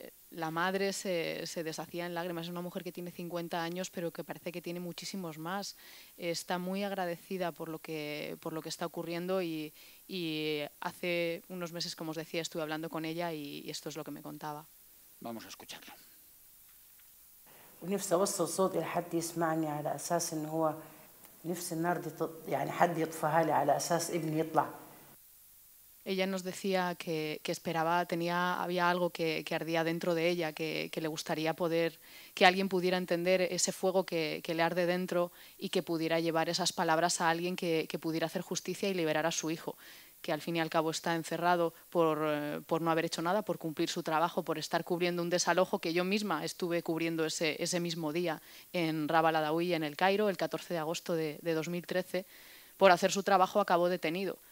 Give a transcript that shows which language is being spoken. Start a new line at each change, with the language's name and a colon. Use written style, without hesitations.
Spanish: La madre se deshacía en lágrimas, es una mujer que tiene 50 años, pero que parece que tiene muchísimos más. Está muy agradecida por lo que está ocurriendo y hace unos meses, como os decía, estuve hablando con ella y esto es lo que me contaba. Vamos a escucharlo.
Arabic: ونفسي أوصل صوتي لحد يسمعني على أساس إن هو نفسي النار دي يعني حد يطفها لي على أساس ابني يطلع.
Spanish: Ella nos decía que esperaba, tenía, había algo que ardía dentro de ella, que le gustaría poder, que alguien pudiera entender ese fuego que le arde dentro y que pudiera llevar esas palabras a alguien que pudiera hacer justicia y liberar a su hijo, que al fin y al cabo está encerrado por no haber hecho nada, por cumplir su trabajo, por estar cubriendo un desalojo que yo misma estuve cubriendo ese mismo día en Rabah el Adawi, en El Cairo, el 14 de agosto de 2013, por hacer su trabajo acabó detenido.